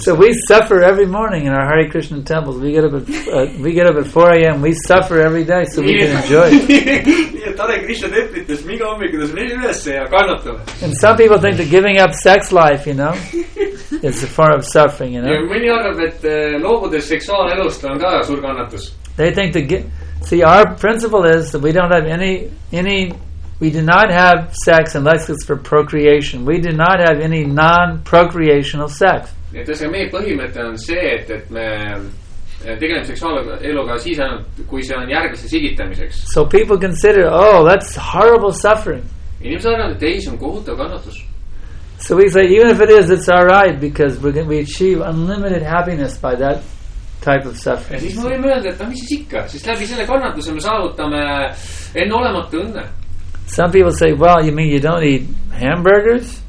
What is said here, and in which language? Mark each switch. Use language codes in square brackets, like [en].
[en] So we suffer every morning in our Hare Krishna temples. We get up at 4 a.m., we suffer every day so we can enjoy it. And some people think that giving up sex life, you know. it's a form of suffering, you know. [et] Ja mõni arvab, et loobudes seksuaalelust on ka suur kannatus. [en] They think to get, see, our principle is that we don't have any we do not have sex unless it's for procreation. We do not have any non-procreational sex. [et] Et see meie põhimõte on see, et me tegeleme seksuaaleluga siis ainult, kui see on järgmise sigitamiseks. [en] So people consider, oh, that's horrible suffering. [et] Inimesed arvan, et ei, see on kohutav kannatus. [en] So we say, even if it is, it's all right, because we achieve unlimited happiness by that type of suffering. [et] Ja siis me võime öelda, et mis siis ikka, sest läbi selle kannatuse me saavutame enneolematu õnne. [en] Some people say, well, you mean you don't eat hamburgers?